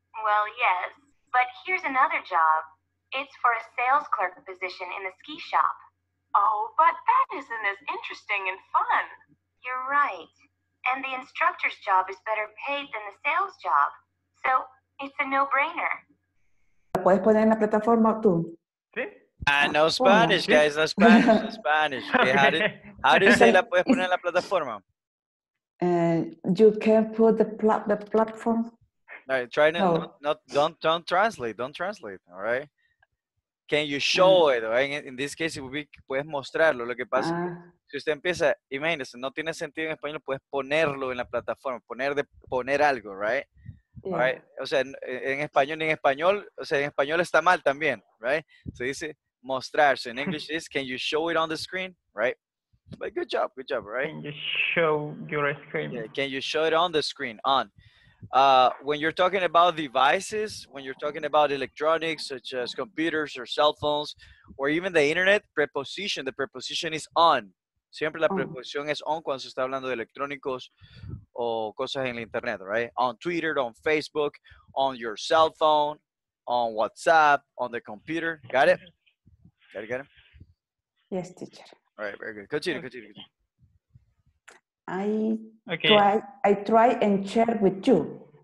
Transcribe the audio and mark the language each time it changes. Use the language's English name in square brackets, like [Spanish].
[English] Well, yes, but here's another job. It's for a sales clerk position in the ski shop. Oh, but that isn't as interesting and fun. You're right. And the instructor's job is better paid than the sales job. So, it's a no-brainer. [Spanish] ¿Puedes poner en la plataforma tú? Sí. [English] No Spanish, guys. No Spanish. Okay. How do you say [Spanish] la puedes poner en la plataforma? [English] You can put the platform. All right, try to don't translate, all right? Can you show it? Right? In this case, it would be [Spanish] puedes mostrarlo. Lo que pasa es que si usted empieza, imagínese, no tiene sentido en español, puedes ponerlo en la plataforma, poner algo, right? [English] Yeah. All right. [Spanish] O sea, en español está mal también, right? Se dice mostrar. [English] So in English is, can you show it on the screen, right? But good job, right? Can you show your screen? Yeah, can you show it on the screen, on? When you're talking about devices, when you're talking about electronics, such as computers or cell phones, or even the internet, the preposition is on. [Spanish] Siempre la preposición es on cuando se está hablando de electrónicos o cosas en el internet, right? [English] On Twitter, on Facebook, on your cell phone, on WhatsApp, on the computer. Got it? Got it? Yes, teacher. All right, very good. Continue. I try and share with you.